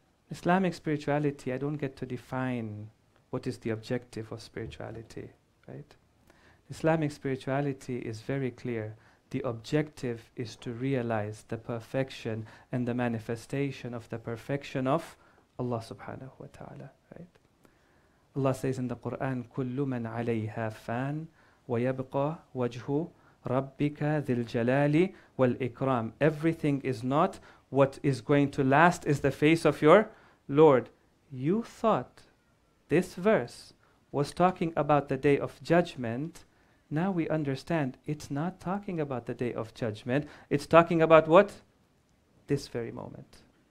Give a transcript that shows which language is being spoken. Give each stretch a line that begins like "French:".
English: Islamic spirituality, I don't get to define what is the objective of spirituality, right? Islamic spirituality is very clear. The objective is to realize the perfection and the manifestation of the perfection of Allah subhanahu wa ta'ala, right? Allah says in the Quran,
Arabic: كُلُّ مَنْ عَلَيْهَا فَانْ وَيَبْقَى وَجْهُ رَبِّكَ ذِي الْجَلَالِ وَالْإِكْرَامِ.
English: Everything is not what is going to last is the face of your Lord. You thought this verse was talking about the day of judgment. Now we understand it's not talking about the day of judgment. It's talking about what? This very moment.